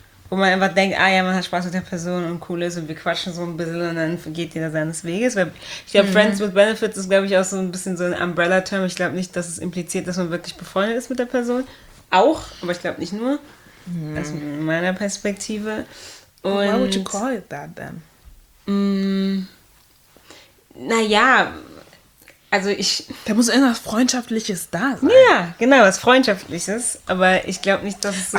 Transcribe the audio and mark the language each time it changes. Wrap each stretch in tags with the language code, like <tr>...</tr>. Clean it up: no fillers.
<de>Wo man einfach denkt, ah ja, man hat Spaß mit der Person und cool ist und wir quatschen so ein bisschen und dann geht jeder seines Weges. Weil ich glaube, Friends with Benefits ist, glaube ich, auch so ein bisschen so ein Umbrella-Term. Ich glaube nicht, dass es impliziert, dass man wirklich befreundet ist mit der Person. Auch, aber ich glaube nicht nur. Aus meiner Perspektive.</de> <en>Why would you call it that then?</en> <de>Naja, also ich... Da muss irgendwas Freundschaftliches da sein. Ja, genau, was Freundschaftliches. Aber ich glaube nicht, dass es so...</de>